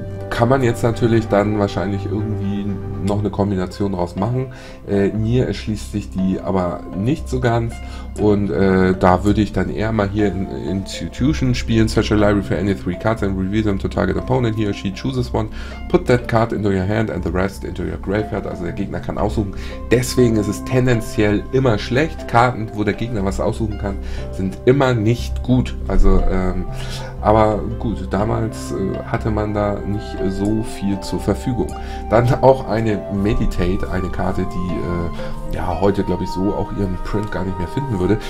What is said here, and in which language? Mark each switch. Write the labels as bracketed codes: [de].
[de] Kann man jetzt natürlich dann wahrscheinlich irgendwie noch eine Kombination draus machen. Mir erschließt sich die aber nicht so ganz. Und da würde ich dann eher mal hier in Institution spielen. [en] Search a library for any 3 cards and reveal them to target opponent. He or she chooses one. Put that card into your hand and the rest into your graveyard. [de] Also der Gegner kann aussuchen. Deswegen ist es tendenziell immer schlecht. Karten, wo der Gegner was aussuchen kann, sind immer nicht gut. Also, aber gut, damals hatte man da nicht so viel zur Verfügung. Dann auch eine Meditate, eine Karte, die heute, glaube ich, so auch ihren Print gar nicht mehr finden würde.